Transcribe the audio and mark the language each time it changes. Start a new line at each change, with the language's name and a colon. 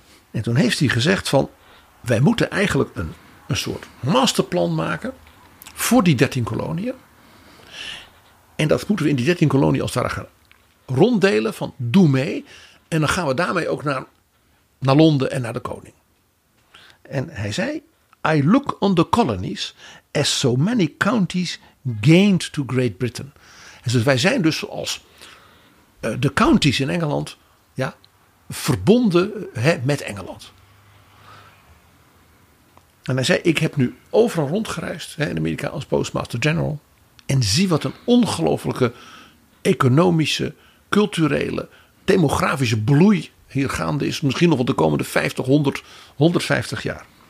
Dutch: En toen heeft hij gezegd van, wij moeten eigenlijk een soort masterplan maken voor die 13 koloniën. En dat moeten we in die 13 koloniën als het ware gaan ronddelen van, doe mee. En dan gaan we daarmee ook naar Londen en naar de koning. En hij zei,
English: I look on the colonies as so many counties gained to Great Britain.
Dutch: En dus wij zijn dus zoals de counties in Engeland, ja, verbonden, hè, met Engeland. En hij zei, ik heb nu overal rondgereisd, hè, in Amerika als Postmaster General. En zie wat een ongelofelijke economische, culturele, demografische bloei hier gaande is, misschien nog wel de komende 50, 100, 150 jaar.